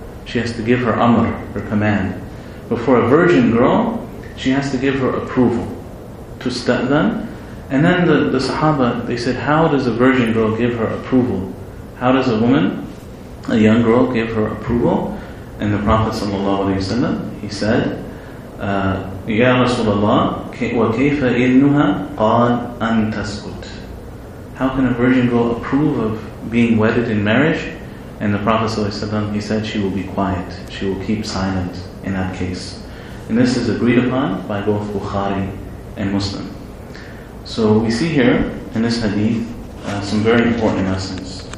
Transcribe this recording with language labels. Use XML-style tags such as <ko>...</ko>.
<en>She has to give her amr, her command. But for a virgin girl, she has to give her approval. Tustadhan. And then the Sahaba, they said, how does a virgin girl give her approval? How does a woman, a young girl, give her approval? And the Prophet ﷺ, he said,</en> <ar>يَا رَسُولَ اللَّهِ وَكَيْفَ إِذْنُهَا قَالْ أَن تَسْكُتْ.</ar> <en>How can a virgin girl approve of being wedded in marriage? And the Prophet ﷺ, he said, she will be quiet. She will keep silent in that case. And this is agreed upon by both Bukhari and Muslim. So we see here in this hadith some very important lessons.</en>